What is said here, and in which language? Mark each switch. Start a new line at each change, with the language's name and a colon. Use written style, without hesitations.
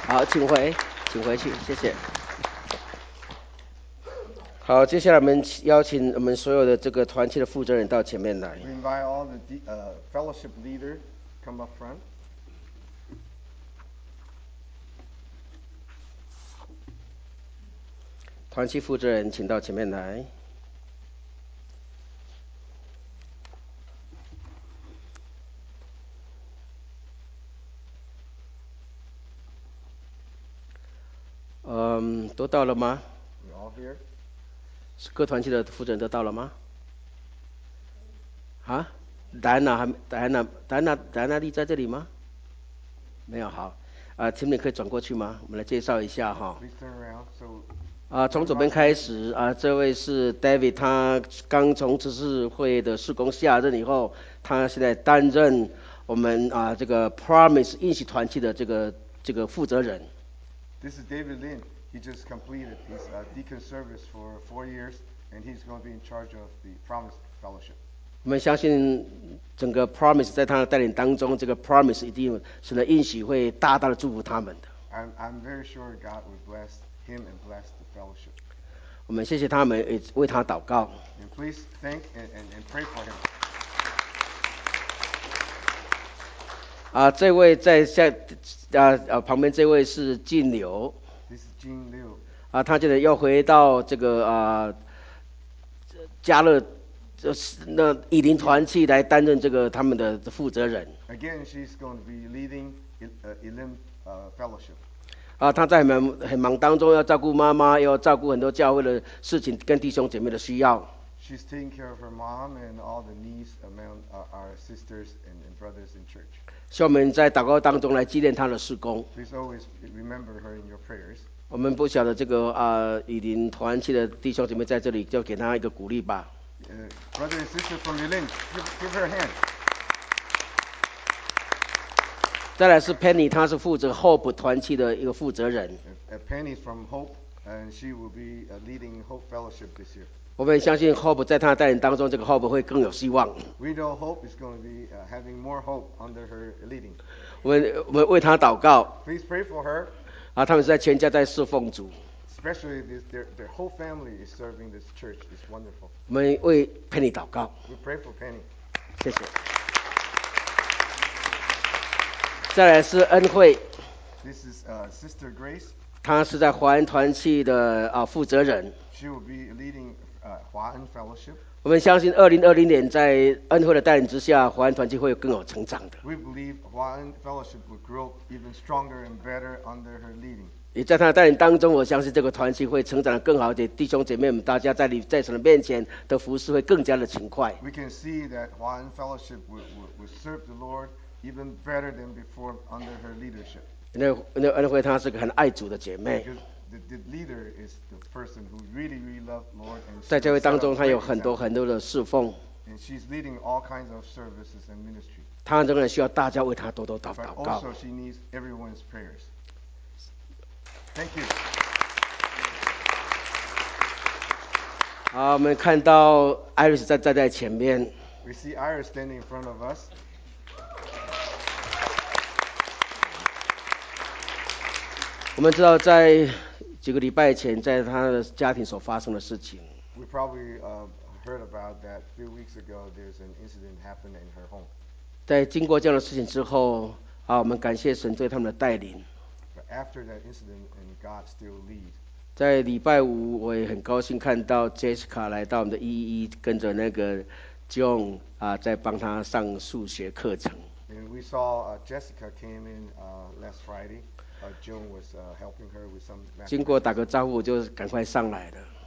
Chinese: 请回去，谢谢。好，接下来我们邀请我们所有的这个团契的负责人到前面来。
English: We invite all the fellowship leader come up front.
Chinese: 团契负责人，请到前面来。都到了吗？
English: We're all here.
Chinese: 是各团契的负责人都到了吗？啊？戴安娜还没？戴安娜丽在这里吗？没有，好。请你可以转过去吗？我们来介绍一下哈。
English: Please turn around. So,
Chinese: 从左边开始啊，这位是 David， 他刚从执事会的事工下任以后，他现在担任我们啊这个 Promise 应许团契的这个负责人。
English: This is David Lin. He just completed his deacon service for 4 years, and he's going to be in charge of the Promise Fellowship.
Chinese: 我们相信整个 Promise 在他的带领当中，这个 Promise 一定使得应许会大大的祝福他们的。
English: I'm very sure God will bless him and bless the fellowship.
Chinese: 我们谢谢他们，也为他祷告。
English: And please thank and pray for him.
Chinese: 啊，这位在下啊啊旁边这位是静流。
English: This is Jin Liu.
Chinese: 啊，他现在要回到这个啊加勒那以林团契来担任这个他们的负责人。
English: Again, she's going to be leading Elim Fellowship.
Chinese: 啊，他在很忙当中，要照顾妈妈，要照顾很多教会的事情跟弟兄姐妹的需要。
English: She's taking care of her mom and all the needs among our sisters and brothers in church.
Chinese: 希望我们在祷告当中来纪念他的事工。
English: Please always remember her in your prayers.
Chinese: 我们不晓得这个啊以林团契的弟兄姐妹在这里，就给他一个鼓励吧。
English: Brother and sister from Yilin, give her a hand.
Chinese: 再来是 Penny， 她是负责 Hope 团契的一个负责人。
English: Penny is from Hope, and she will be leading Hope Fellowship this year.
Chinese: 我们相信 Hope 在她的带领当中，这个 Hope 会更有希望。
English: We know Hope is going to be having more hope under her leading.
Chinese: 我们为她祷告。
English: Please pray for her.
Chinese: 啊，他们是在全家在侍奉主。
English: Especially their whole family is serving this church. It's wonderful.
Chinese: 我们为 Penny 祷告。
English: We pray for Penny.
Chinese: 谢谢。再来是恩惠。
English: This is Sister Grace.
Chinese: 她是在华恩团契的负责人。
English: She will be leading华恩 Fellowship.
Chinese: 我们相信2020年在恩惠的带领之下，华恩团契会更有成长的。
English: We believe 华恩 Fellowship will grow even stronger and better under her leading.
Chinese: 也在他的带领当中，我相信这个团契会成长得更好，且弟兄姐妹们大家在神的面前的服事会更加的勤快。
English: We can see that Huan Fellowship will serve the Lord even better than before under her leadership.
Chinese: 那恩惠她是个很爱主的姐妹。
English: The leader is the person who really loves Lord and.
Chinese: 在教会当中，她有很多很多的侍奉。
English: And she's leading all kinds of services and ministry.
Chinese: 她仍然需要大家为她多多祷告。
English: But also she needs everyone's prayers. Thank you.
Chinese: 好，我们看到 Iris 站在前面。
English: We see Iris standing in front of us.
Chinese: 我们知道在几个礼拜前，在他的家庭所发生的事情。
English: We probably heard about that a few weeks ago. There's an incident happened in her home.
Chinese: 在经过这样的事情之后，好，我们感谢神对他们的带领。
English: After that incident, and God still leads.
Chinese: 在礼拜五，我也很高兴看到 Jessica 来到我们的 EEE， 跟着那个 John 啊，在帮他上数学课程。
English: And we saw Jessica came in last Friday. John was helping her with some.
Chinese: 经过打个招呼，我就赶快上来了。